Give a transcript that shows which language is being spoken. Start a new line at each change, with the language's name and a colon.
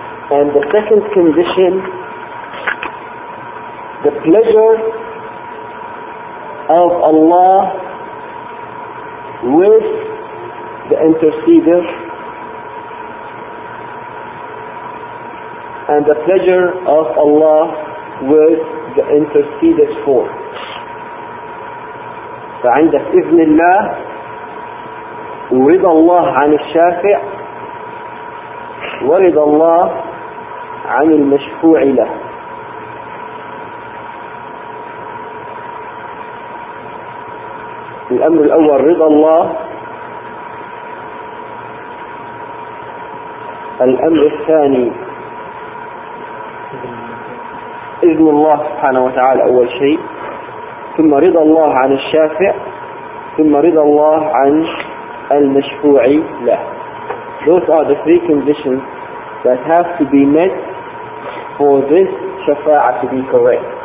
English: And the second condition, the pleasure of Allah with the interceder. And the pleasure of Allah with the interceder's form.
Arabic: فعندك إذن الله ورضى الله عن الشافع ورضى الله عن المشفوع له. الأمر الأول رضى الله، الأمر الثاني إذن الله سبحانه وتعالى أول شيء، ثم رضى الله عن الشافع، ثم رضى الله عن المشفوع له.
English: Those are the three conditions that have to be met for this shafa'a to be correct.